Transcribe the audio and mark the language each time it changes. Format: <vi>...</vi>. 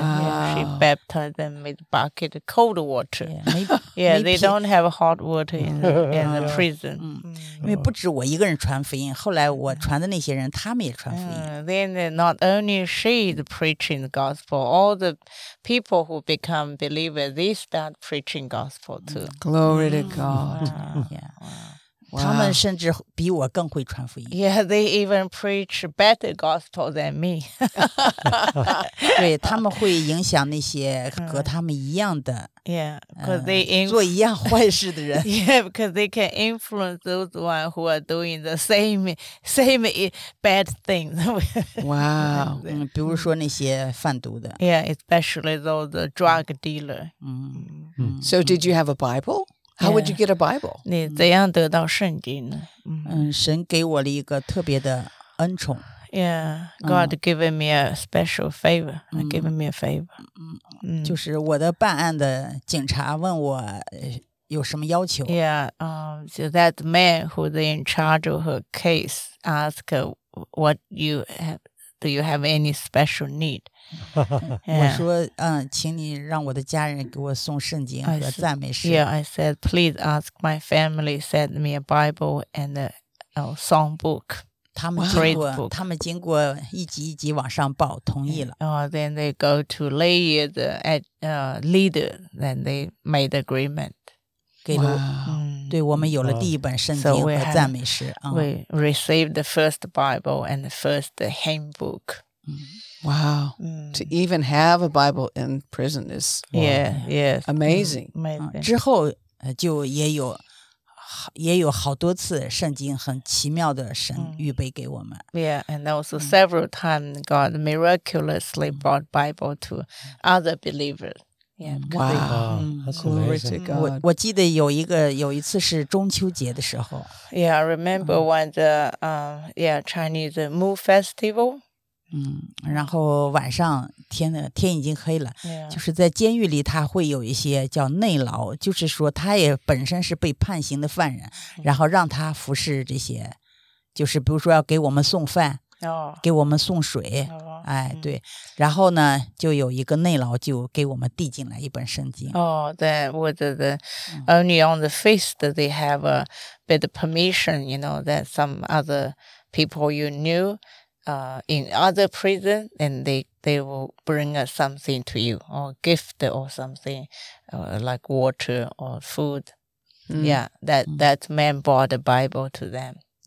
<en>she baptized them with a bucket of cold water. Yeah, yeah they don't have hot water in the prison.</en> <zh>因为不止我一个人传福音，后来我传的那些人，他们也传福音。</zh> <en>Then not only she is preaching the gospel, all the people who become believers, they start preaching gospel too. Glory to God.</en> <zh>Yeah. Wow. 他们甚至比我更会传福音。</zh> <en>Yeah, they even preach better gospel than me.</en> <zh>对，他们会影响那些和他们一样的。</zh> <en>Yeah, because they</en> <zh>做一样坏事的人。</zh> <en>Yeah, because they can influence those ones who are doing the same bad things. Wow.</en> <zh>比如说那些贩毒的。</zh> <en>Yeah, especially those drug dealers. So did you have a Bible? How would you get a Bible?</en> <zh>你怎样得到圣经呢？嗯，神给我了一个特别的恩宠。</zh> <en>Yeah, God given me a special favor. Given me a favor.</en> <zh>就是我的办案的警察问我有什么要求。</zh> <en>Yeah, so that man who's in charge of her case asked what you have, do you have any special need?</en> <zh>yeah. 我说，请你让我的家人给我送圣经和赞美诗。</zh> <en>Yeah, I said, please ask my family send me a Bible and a song book.</en> <zh>他们经过，他们经过一级一级往上报，同意了。</zh> <en>Then they go to layer the leader, then they made agreement.</en> <zh>给了， 对我们有了第一本圣经和赞美诗。</zh> <en>We received the first Bible and the first hymn book. Wow, to even have a Bible in prison is amazing.</en> <zh>之后就也有，也有好多次圣经很奇妙的神预备给我们。</zh> <en>Yeah, and also several times God miraculously brought Bible to other believers. Yeah, wow, glory to God.</en> <zh>我记得有一次是中秋节的时候。</zh> <en>Yeah, I remember when the Chinese Moon Festival.</en> <zh>然后晚上天已经黑了、</zh> <en>yeah.</en> <zh>就是在监狱里他会有一些叫内牢就是说他也本身是被判刑的犯人然后让他服侍这些就是比如说要给我们送饭、</zh> <en>oh.</en> <zh>给我们送水、</zh> <en>oh.</en> <zh>哎对然后呢就有一个内牢就给我们递进来一本圣经哦对我觉得</zh> <en>only on the feast they have a bit of permission you know that some other people you knewin other prison, and they will bring us something to you, or gift or something, like water or food. Yeah, that man brought a Bible to them.</en>